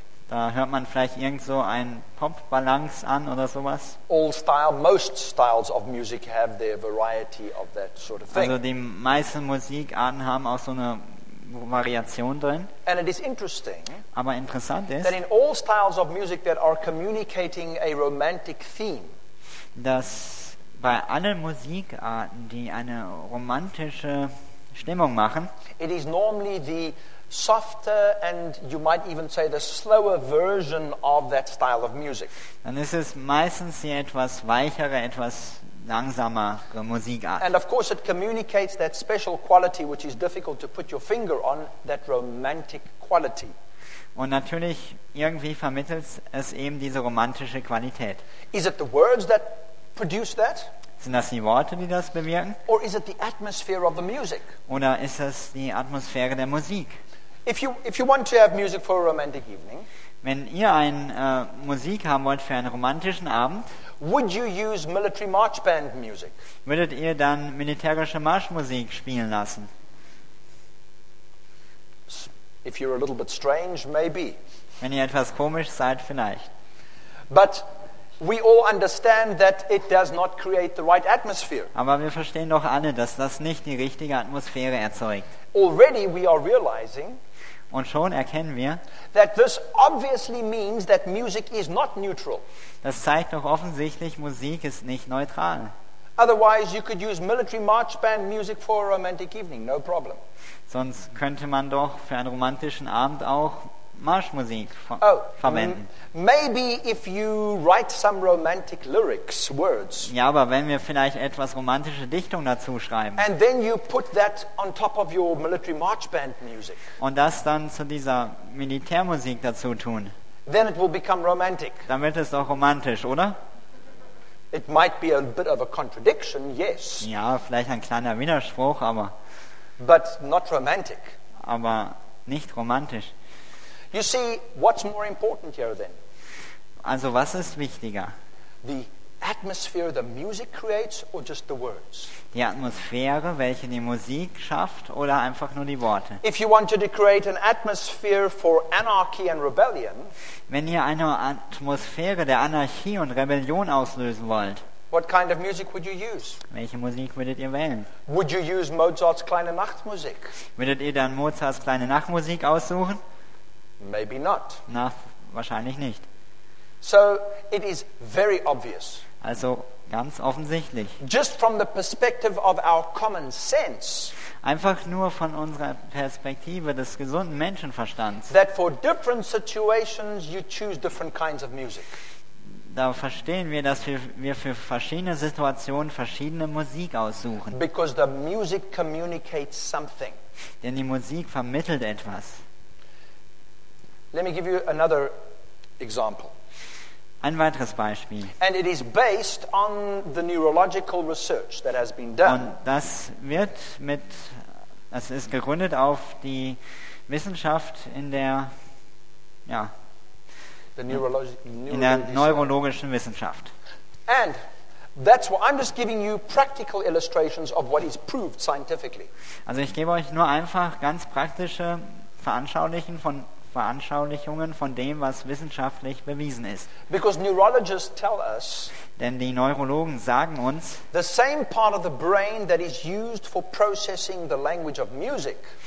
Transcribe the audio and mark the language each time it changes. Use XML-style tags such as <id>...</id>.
<de>Da hört man vielleicht irgend so ein Pop-Balance an oder sowas.</de> <en>All style, most styles of music have their variety of that sort of thing.</en> <de>Also die meisten Musikarten haben auch so eine Variation drin.</de> <en>And it is interesting,</en> <de>aber interessant ist,</de> <en>that in all styles of music that are communicating a romantic theme,</en> <de>dass bei allen Musikarten, die eine romantische Stimmung machen,</de> <en>it is normally the softer and you might even say the slower version of that style of music.</en> <de>Dann ist es meistens die etwas weichere, etwas langsamere Musikart.</de> <en>And of course it communicates that special quality which is difficult to put your finger on, that romantic quality.</en> <de>Und natürlich irgendwie vermittelt es eben diese romantische Qualität.</de> <en>Is it the words that produce that?</en> <de>Sind das die Worte, die das bewirken?</de> <en>Or is it the atmosphere of the music?</en> <de>Oder ist es die Atmosphäre der Musik?</de> <en>If you want to have music for a romantic evening,</en> <de>wenn ihr ein Musik haben wollt für einen romantischen Abend,</de> <en>would you use military march band music?</en> <de>Würdet ihr dann militärische Marschmusik spielen lassen?</de> <en>If you're a little bit strange, maybe.</en> <de>Wenn ihr etwas komisch seid, vielleicht.</de> <en>But we all understand that it does not create the right atmosphere.</en> <de>Aber wir verstehen doch alle, dass das nicht die richtige Atmosphäre erzeugt.</de> <en>Already we are realizing.</en> <de>Und schon erkennen wir,</de> <en>that this obviously means that music is not neutral.</en> <de>Das zeigt doch offensichtlich, Musik ist nicht neutral.</de> <en>Otherwise you could use military march band music for a romantic evening, no problem.</en> <de>Sonst könnte man doch für einen romantischen Abend auch Marschmusik verwenden.</de> <en>Maybe if you write some romantic lyrics, words.</en> <de>Ja, aber wenn wir vielleicht etwas romantische Dichtung dazu schreiben.</de> <en>And then you put that on top of your military march band music.</en> <de>Und das dann zu dieser Militärmusik dazu tun.</de> <en>Then it will become romantic.</en> <de>Dann wird es doch romantisch, oder?</de> <en>It might be a bit of a contradiction, yes.</en> <de>Ja, vielleicht ein kleiner Widerspruch, aber.</de> <en>But not romantic.</en> <de>Aber nicht romantisch.</de> <en>You see, what's more important here then?</en> <de>Also, was ist wichtiger?</de> <en>The atmosphere the music creates or just the words?</en> <de>Die Atmosphäre, welche die Musik schafft, oder einfach nur die Worte?</de> <en>If you wanted to create an atmosphere for anarchy and rebellion,</en> <de>wenn ihr eine Atmosphäre der Anarchie und Rebellion auslösen wollt,</de> <en>what kind of music would you use?</en> <de>Welche Musik würdet ihr wählen?</de> <en>Would you use Mozart's kleine Nachtmusik?</en> <de>Würdet ihr dann Mozarts kleine Nachtmusik aussuchen?</de> <en>Maybe not.</en> <de>Na, wahrscheinlich nicht.</de> <en>So it is very obvious.</en> <de>Also ganz offensichtlich.</de> <en>Just from the perspective of our common sense.</en> <de>Einfach nur von unserer Perspektive des gesunden Menschenverstands.</de> <en>That for different situations you choose different kinds of music.</en> <de>Da verstehen wir, dass wir für verschiedene Situationen verschiedene Musik aussuchen.</de> <en>Because the music communicates something.</en> <de>Denn die Musik vermittelt etwas.</de> <en>Let me give you another example.</en> <de>Ein weiteres Beispiel.</de> <en>And it is based on the neurological research that has been done.</en> <de>Und das wird mit, das ist gegründet auf die Wissenschaft in der, ja, in der neurologischen Wissenschaft.</de> <en>And that's why I'm just giving you practical illustrations of what is proved scientifically.</en> <de>Also ich gebe euch nur einfach ganz praktische Veranschaulichungen von dem, was wissenschaftlich bewiesen ist.</de> <en>Because neurologists tell us,</en> <de>denn die Neurologen sagen uns,</de> <en>the same part of the brain that is used for processing the language of music,</en>